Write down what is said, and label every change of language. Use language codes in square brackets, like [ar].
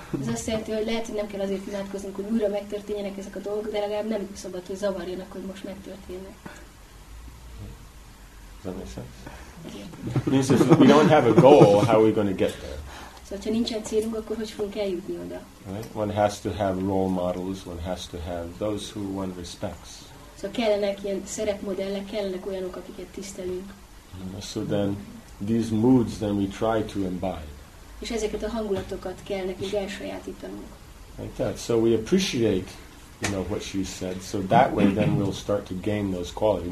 [hu] Ez azt jelenti, hogy lehet, hogy nem kell azért imádkozni, hogy újra megtörténjenek ezek a dolgok, de legalább nem szabad, hogy zavarjanak, hogy most megtörténnek. [en] Does that make sense? Yeah. If we don't have a goal, how are we going to get there? [hu] Szóval, ha nincsen célunk, akkor hogy fogunk eljutni oda? [en] Right? One has to have role models, one has to have those who one respects. [hu] Szóval kellenek ilyen szerepmodellek, kellenek olyanok, akiket tisztelünk. [en] So then, these moods then we try to imbibe. [hu] És ezeket a hangulatokat kell nekünk elsajátítanunk. [en] Like that. So we appreciate, you know, what she said. So that way then we'll start to gain those qualities.